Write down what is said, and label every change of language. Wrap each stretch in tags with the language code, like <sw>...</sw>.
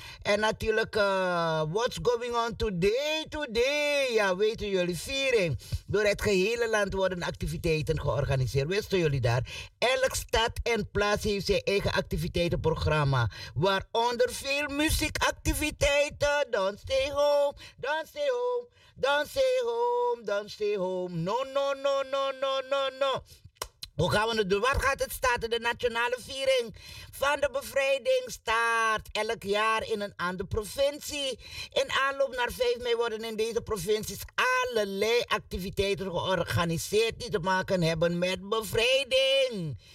<nl>En natuurlijk,</nl> <en>what's going on today?</en> <nl>Ja, weten jullie, viering. Door het gehele land worden activiteiten georganiseerd. Wisten jullie daar? Elk stad en plaats heeft zijn eigen activiteitenprogramma, waaronder veel muziekactiviteiten.</nl> <en>Don't stay home, don't stay home, don't stay home, don't stay home. No, no, no, no, no, no, no.</en> <nl>Hoe gaan we het doen? Waar gaat het starten? De nationale viering van de bevrijding start elk jaar in een andere provincie. In aanloop naar 5 mei worden in deze provincies allerlei activiteiten georganiseerd die te maken hebben met bevrijding.</nl>